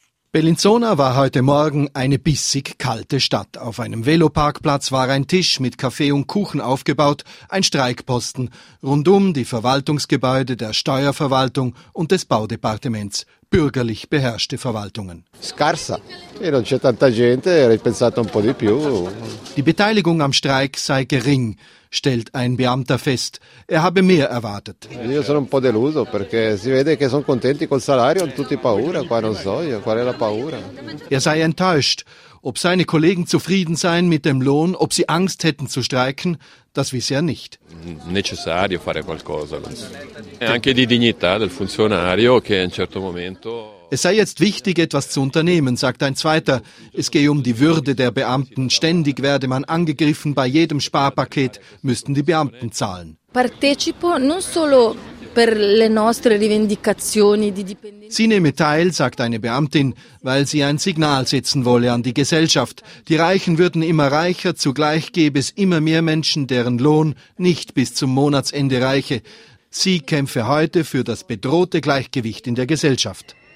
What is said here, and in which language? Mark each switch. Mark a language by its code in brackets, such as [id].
[de] Bellinzona war heute Morgen eine bissig kalte Stadt. Auf einem Veloparkplatz war ein Tisch mit Kaffee und Kuchen aufgebaut, ein Streikposten, rundum die Verwaltungsgebäude der Steuerverwaltung und des Baudepartements, bürgerlich beherrschte Verwaltungen. [it] Scarsa. Non c'è tanta gente, avrei pensato un po' di più. [de] Die Beteiligung am Streik sei gering, stellt ein Beamter fest. Er habe mehr erwartet. [it] Io sono un po' deluso perché si vede che sono contenti col salario, hanno tutti paura, qua non so, qual è la paura. [de] Er sei enttäuscht. Ob seine Kollegen zufrieden seien mit dem Lohn, ob sie Angst hätten zu streiken, das wisse er nicht. [it] Necessario fare qualcosa. E anche di dignità del funzionario che in certo momento. [de] Es sei jetzt wichtig, etwas zu unternehmen, sagt ein Zweiter. Es gehe um die Würde der Beamten. Ständig werde man angegriffen, bei jedem Sparpaket müssten die Beamten zahlen. [it] Partecipo non solo per le nostre rivendicazioni di dipendenti. [de] Sie nehme teil, sagt eine Beamtin, weil sie ein Signal setzen wolle an die Gesellschaft. Die Reichen würden immer reicher, zugleich gäbe es immer mehr Menschen, deren Lohn nicht bis zum Monatsende reiche. Sie kämpfe heute für das bedrohte Gleichgewicht in der Gesellschaft.